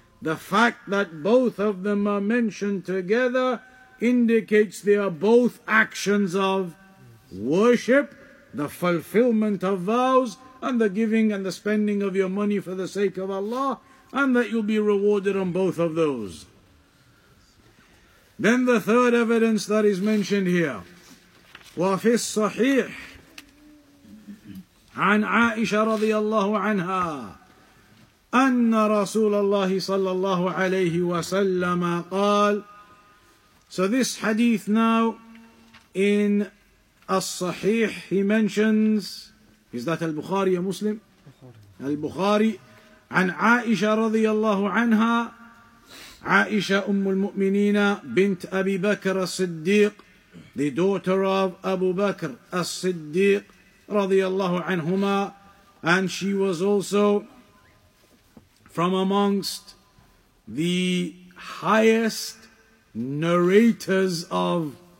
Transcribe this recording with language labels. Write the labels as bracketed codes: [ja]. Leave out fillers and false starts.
[en] The fact that both of them are mentioned together indicates they are both actions of worship, the fulfillment of vows, and the giving and the spending of your money for the sake of Allah, and that you'll be rewarded on both of those. Then the third evidence that is mentioned here, [ar] وَفِي الصَّحِيحِ عن عائشة رضي الله عنها أن رسول الله صلى الله عليه وسلم قال. [en] So this hadith now in As-Sahih, he mentions, is that Al-Bukhari a Muslim? Al-Bukhari. [ar] عن عائشة رضي الله عنها عائشة أم المؤمنين بنت أبي بكر الصديق, [en] the daughter of Abu Bakr as-Siddiq [ar] رضي الله عنهما, [en] and she was also from amongst the highest narrators of